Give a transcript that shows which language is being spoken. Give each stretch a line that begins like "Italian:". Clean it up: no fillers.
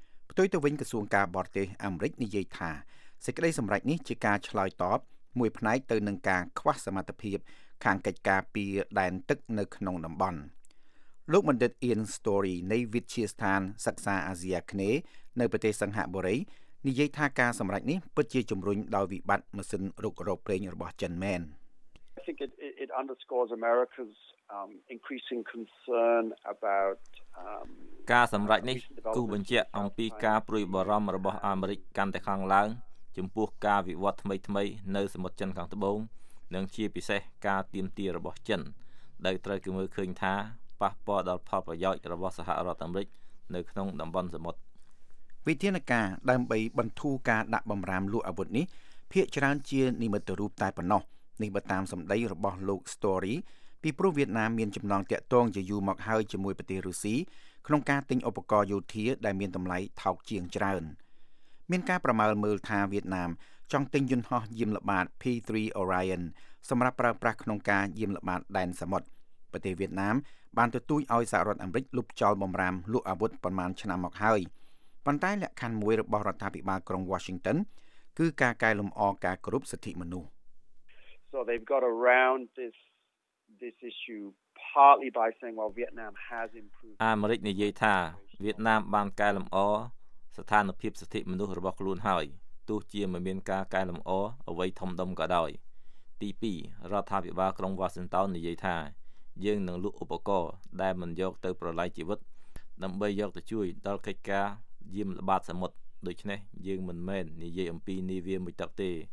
Khmer: ផ្ទុយទៅវិញក្រសួងការបរទេសអាមេរិកនិយាយថាសេចក្តីសម្រេចនេះជាការឆ្លើយតបមួយផ្នែកទៅនឹងការខ្វះសមត្ថភាពខាងកិច្ចការពីដែនទឹកនៅក្នុងតំបន់លោកបណ្ឌិតអ៊ីនស្តូរីនៃវិទ្យាស្ថានសិក្សាអាស៊ីអាគ្នេយ៍នៅប្រទេសសិង្ហបុរីនិយាយថាការសម្រេចនេះពិតជាជំរុញដោយវិបត្តិម៉ាស៊ីនរុករកប្រេងរបស់ចិនមែន
English: I think it underscores America's increasing concern about
Khmer: ការសម្រេចនេះគូបញ្ជាក់អំពីការព្រួយបារម្ភរបស់អាមេរិកកាន់តែខ្លាំងឡើងចំពោះការវិវត្តថ្មីៗនៅសមុទ្រចិនខាងត្បូងនិងជាពិសេសការទាមទាររបស់ចិនដែលត្រូវគេមើលឃើញថាប៉ះពាល់ដល់ផលប្រយោជន៍របស់សហរដ្ឋអាមេរិកនៅក្នុងតំបន់សមុទ្រ វិធានការដើម្បីបន្ធូរការដាក់បំរាមលោកអាវុធនេះភាគច្រើនជានិមិត្តរូបតែប៉ុណ្ណោះនេះបើតាមសម្ដីរបស់លោក Story ពីព្រោះវៀតណាមមានចំណងទាក់ទងជាយូរមកហើយជាមួយប្រទេសរុស្ស៊ីក្នុងការទិញឧបករណ៍យោធាដែលមានតម្លៃថោកជាងច្រើន មានការប្រមាថមើលថាវៀតណាមចង់ទិញយន្តហោះយាមល្បាត P3 Orion សម្រាប់ប្រើប្រាស់ក្នុងការយាមល្បាតដែនសមុទ្រប្រទេសវៀតណាមបានទទូចឲ្យសហរដ្ឋអាមេរិកលុបចោលបំរាមលោកអាវុធប្រមាណឆ្នាំមកហើយប៉ុន្តែលក្ខខណ្ឌមួយរបស់រដ្ឋាភិបាលក្រុង Washington គឺការកែលម្អការគោរពសិទ្ធិមនុស្ស
English: So they've got around this issue partly by saying well Vietnam has improved
Khmer: អាមេរិកនិយាយថាវៀតណាមបានកែលម្អស្ថានភាពសិទ្ធិមនុស្សរបស់ខ្លួនហើយទោះជាមិនមានការកែលម្អអ្វីធំដុំក៏ដោយទី2រដ្ឋាភិបាលក្រុង Washington និយាយថាយើងនឹងលក់ឧបករណ៍ដែលមិនយកទៅប្រឡាយជីវិតដើម្បីយកទៅជួយដល់កិច្ចការយាមល្បាតសមុទ្រដូច្នេះយើងមិនមែននិយាយអំពីនាវាមួយទឹកទេ